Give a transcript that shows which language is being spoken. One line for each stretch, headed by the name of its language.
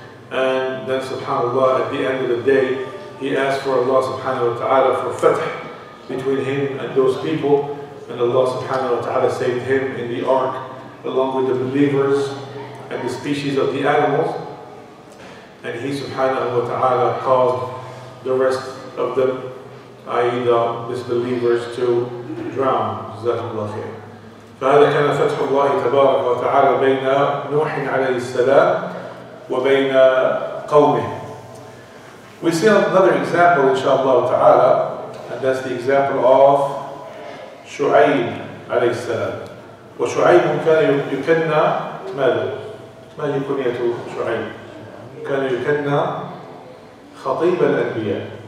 English: And then subhanAllah, at the end of the day, he asked for Allah subhanahu wa ta'ala for fatah between him and those people, and Allah subhanahu wa ta'ala saved him in the ark along with the believers and the species of the animals, and He subhanahu wa ta'ala caused the rest of them, i.e. the disbelievers, to drown.
Arabic: Jazakumullah khair. فهذا كان فتح الله تبارك وتعالى بين نوح عليه السلام وبين قومه.
English: We see another example inshaAllah ta'ala, and that's the example of Shu'ayb alayhi salam.
Arabic: وشعيب كان يكنى ماذا؟ ما هي كنية شعيب؟ كان يكنى خطيب الأنبياء.